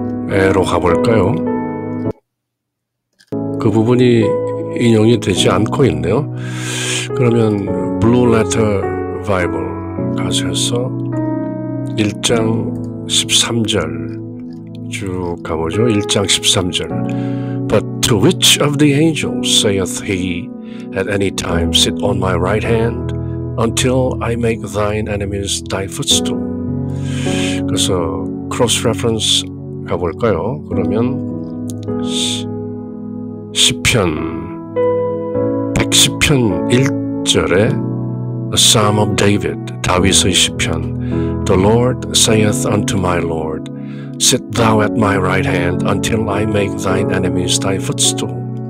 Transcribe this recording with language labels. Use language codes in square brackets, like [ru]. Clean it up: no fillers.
[ko] 에로 가볼까요? 그 부분이 인용이 되지 않고 있네요. 그러면 블루 레터 바이블 가셔서 1장 13절 쭉 가보죠. [en] 1장 13절 But to which of the angels saith he at any time sit on my right hand until I make thine enemies thy footstool. [ko] 그래서 크로스 레퍼런스 가볼까요? 그러면 시편 110편 1절에 [en] A Psalm of David, [ko] 다윗의 시편 [en] The Lord saith unto my Lord, Sit thou at my right hand until I make thine enemies thy footstool.